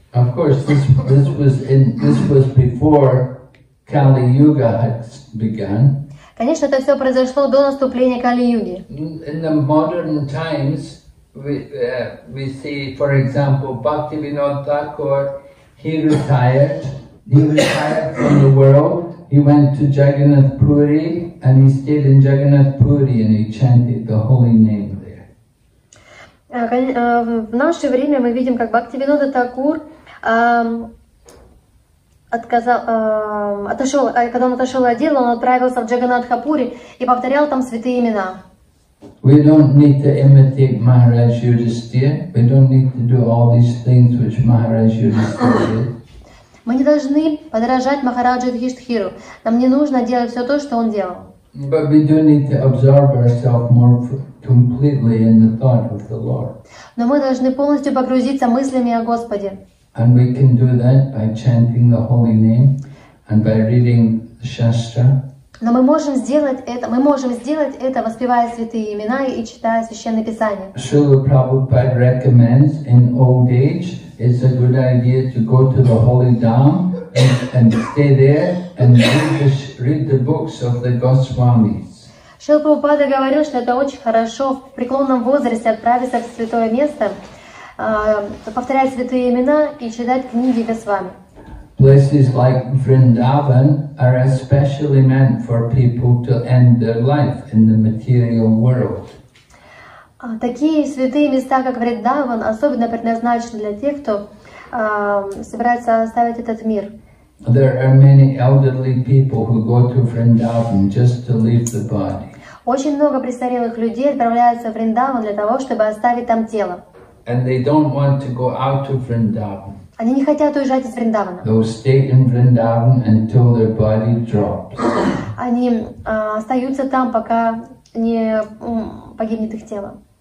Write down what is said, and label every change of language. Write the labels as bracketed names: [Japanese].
[English] Of course, this was before Kali Yuga had begun. [Russian] Конечно, это все произошло до наступления Кали-Юги. [English] In the modern times, we see, for example, Bhaktivinoda Thakur, he retired from the world, he went to Jagannath Puri, and he stayed in Jagannath Puri, and he chanted the holy name there. [Russian] В наше время мы видим, как Бхактивинода Такур отошел от дела, он отправился в Джаганатхапури и повторял там святые имена. [English] We don't need to imitate Maharaj Yudhisthira. We don't need to do all these things which Maharaj Yudhisthira did. [Russian] Мы не должны подражать Махараджу Юдхиштхиру. Нам не нужно делать все то, что он делал. [English] But we do need to absorb ourselves more completely in the thought of the Lord. [Russian] Но мы должны полностью погрузиться мыслями о Господе. [English] And we can do that by chanting the holy name and by reading Shastra. [Russian] Но мы можем сделать это, воспевая святые имена и читая Священное Писание. [English] Srila Prabhupada recommends in old age it's a good idea to go to the holy dham and stay there and read the books of the Goswamis. [Russian] Srila Prabhupada говорил, что это очень хорошо в преклонном возрасте отправиться в святое место, повторять святые имена и читать книги Госвами. [English] places like Vrindavan are especially meant for people to end their life in the material world. [Russian] Такие святые места, как Вриндаван, особенно предназначены для тех, кто собирается оставить этот мир. [English] There are many elderly people who go to Vrindavan just to leave the body. [Russian] Очень много престарелых людей отправляются в Вриндаван для того, чтобы оставить там тело. [English] And they don't want to go out of Vrindavan. [Russian] Они не хотят уезжать из Вриндавана. [English] They'll stay in Vrindavan until their body drops. [Russian] Они остаются там, пока не погибнет их тело.